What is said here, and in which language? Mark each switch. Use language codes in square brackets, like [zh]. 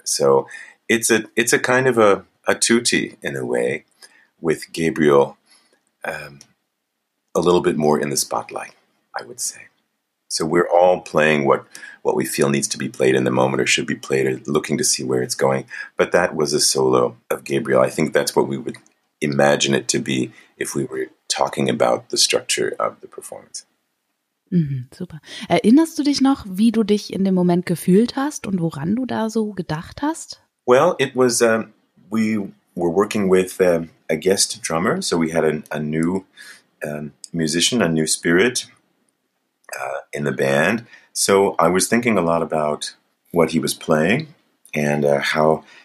[en] So it's a kind of a tutti in a way, with Gabriel a little bit more in the spotlight, I would say. So we're all playing what we feel needs to be played in the moment or should be played, or looking to see where it's going. But that was a solo of Gabriel. I think that's what we would imagine it to be if we were talking about the structure of the performance. Mhm, super. [de] Erinnerst du dich noch, wie du dich in dem Moment gefühlt hast und woran du da so gedacht hast? [en] Well, it was, we were working with a guest drummer. So we had a new musician, a new spirit in the band. So I was thinking a lot about what he was playing and how